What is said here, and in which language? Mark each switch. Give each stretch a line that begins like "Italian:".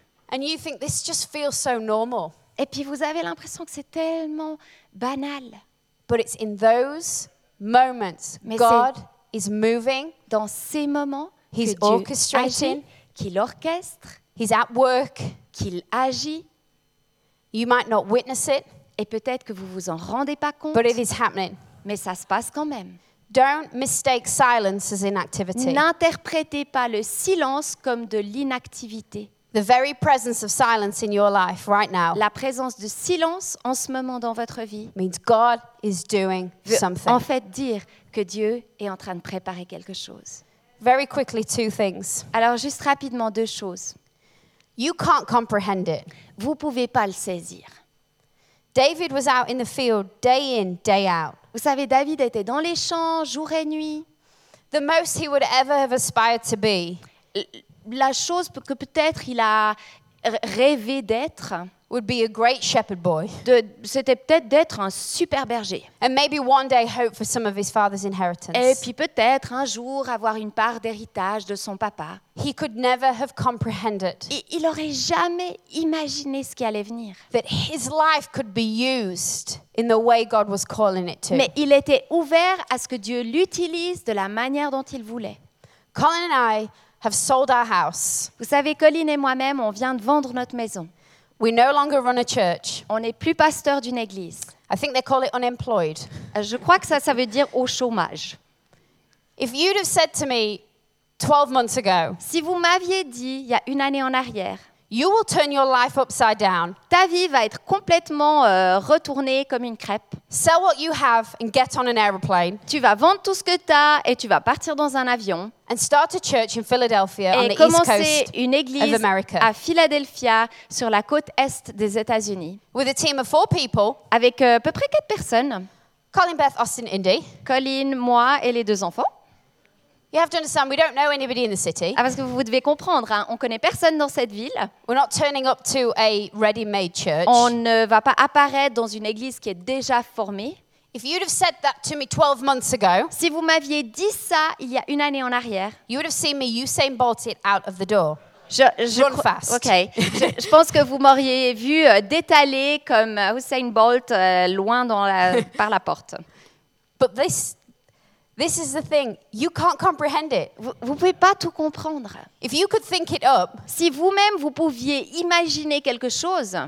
English: And you think this just feels so normal.
French: Et puis vous avez l'impression que c'est tellement banal.
English: But it's in those moments God is moving.
French: Dans ces moments,
English: he's orchestrating,
French: qu'il orchestre.
English: He's at work.
French: Qu'il agit.
English: You might not witness it.
French: Et peut-être que vous vous en rendez pas compte.
English: But it is happening.
French: Mais ça se passe quand même.
English: Don't mistake silence as inactivity.
French: N'interprétez pas le silence comme de l'inactivité.
English: The very presence of silence in your life right now.
French: La présence de silence en ce moment dans votre vie.
English: Means God is doing something.
French: En fait, dire que Dieu est en train de préparer quelque chose.
English: Very quickly, two things.
French: Alors, juste rapidement, deux choses.
English: You can't comprehend it.
French: Vous pouvez pas le saisir.
English: David was out in the field day in, day out.
French: Vous savez, David était dans les champs jour et nuit.
English: The most he would ever have aspired to be.
French: La chose que peut-être il a rêvé d'être
English: would be a great shepherd boy.
French: C'était peut-être d'être un super berger.
English: And maybe one day hope for some of his father's inheritance.
French: Et puis peut-être un jour avoir une part d'héritage de son papa.
English: He could never have comprehended.
French: Il aurait jamais imaginé ce qui allait venir.
English: That his life could be used in the way God was calling it to.
French: Mais il était ouvert à ce que Dieu l'utilise de la manière dont il voulait.
English: Colin and I have sold our house.
French: Vous savez, Colin et moi-même, on vient de vendre notre maison.
English: We no longer run a church.
French: On n'est plus pasteur d'une église.
English: I think they call it unemployed.
French: Je crois que ça veut dire au chômage.
English: If you'd have said to me, 12 months ago,
French: si vous m'aviez dit il y a une année en arrière,
English: you will turn your life upside down.
French: Ta vie va être complètement retournée comme une crêpe.
English: Sell what you have and get on an aeroplane.
French: Tu vas vendre tout ce que tu as et tu vas partir dans un avion.
English: And start a church in Philadelphia
French: et
English: on the East
French: commencer
English: coast
French: une église
English: of America.
French: À Philadelphia sur la côte est des États-Unis.
English: With a team of 4 people.
French: Avec à peu près 4 personnes.
English: Colin, Beth, Austin, Indy.
French: Colin, moi et les deux enfants.
English: You have to understand, we don't know anybody in the city.
French: Ah, parce que vous devez comprendre, hein, on connaît personne dans cette ville.
English: We're not turning up to a ready-made church.
French: On ne va pas apparaître dans une église qui est déjà formée.
English: If you'd have said that to me 12 months ago,
French: si vous m'aviez dit ça il y a une année en arrière,
English: you would have seen me Usain Bolt it out of the door. Run fast. Okay.
French: Je pense que vous m'auriez vu détaler comme Usain Bolt loin dans la, par la porte.
English: But this is the thing. You can't comprehend it.
French: Vous ne pouvez pas tout comprendre.
English: If you could think it up,
French: si vous-même vous pouviez imaginer quelque chose,